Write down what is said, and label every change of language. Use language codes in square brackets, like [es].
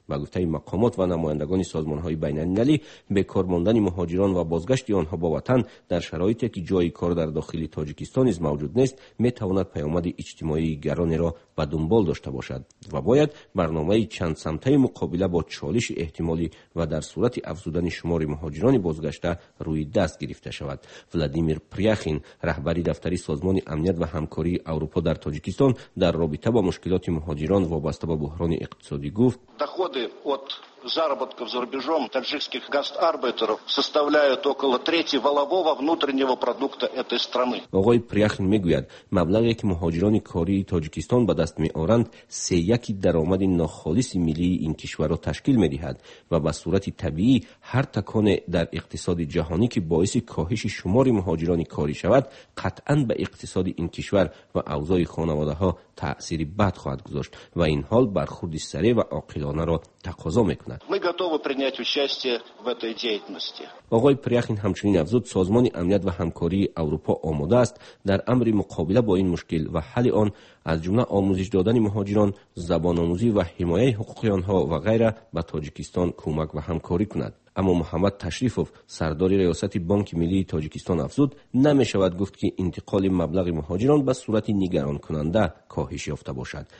[fa] با گفته مقامات و نمایندگان سازمان های بین المللی، بیکار ماندن مهاجران و بازگشت آنها به وطن در شرایطی که جای کار در داخل تاجیکستان نیز موجود نیست می تواند پیامد اجتماعی گرانی را به دنبال داشته باشد و باید برنامه چند سمته مقابله با چالش احتمالی و در صورت افزودن شمار مهاجران بازگشته روی دست گرفته شود. ولادیمیر پریاخین، رهبری دفتری سازمان امنیت و همکاری اروپا در تاجیکستان، در رابطه با مشکلات مهاجران وابسته به بحران اقتصادی گفت: [ru] доходы от заработков за рубежом таджикских гастарбайтеров составляют около трети валового внутреннего продукта этой страны. [fa] آقای پریاخین میگوید مبلغی که مهاجران کاری تاجیکستان به دست میآورند 3/1 درآمد ناخالص ملی این کشور را تشکیل میدهد و به صورت طبیعی هر تکان در اقتصاد جهانی که باعث کاهش شمار مهاجران کاری شود قطعا به اقتصاد این کشور و اوضاع خانواده ها تأثیری بد خواهد گذاشت و این حال برخورد سریع و عاقلانه را تقاضا میکند. [ru] ми готовы принять участие в этой деятельности. [fa] آقای پریاخین همچنین افزود سازمان امنیت و همکاری اروپا آماده است در امر مقابله با این مشکل و حل آن، از جمله آموزش دادن مهاجران، زبان آموزی و حمایت حقوق آنها و غیره، به تاجیکستان کمک و همکاری کند. اما محمد تشریفوف، سردار ریاست بانک ملی تاجیکستان، افزود نمی شود گفت که انتقال مبلغ مهاجران به صورت نگران کننده کاهش یافته باشد.